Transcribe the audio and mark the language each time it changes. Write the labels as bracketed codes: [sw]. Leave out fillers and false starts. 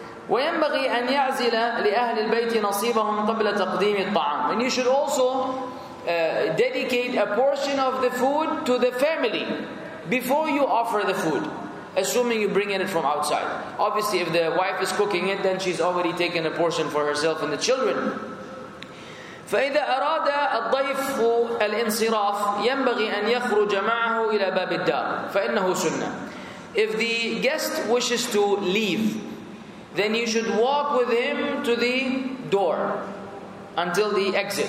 [ar] وَيَنْبَغِي أَنْ يَعْزِلَ لِأَهْلِ الْبَيْتِ نَصِيبَهُمْ قَبْلَ تَقْدِيمِ الطَّعَامِ. [en] And you should also dedicate a portion of the food to the family before you offer the food, assuming you bring in it from outside. Obviously, if the wife is cooking it, then she's already taken a portion for herself and the children. [ar] فإذا أراد الضيف الانصراف ينبغي أن يخرج معه إلى باب الدار فإنه سنة. [en] If the guest wishes to leave, then you should walk with him to the door until the exit.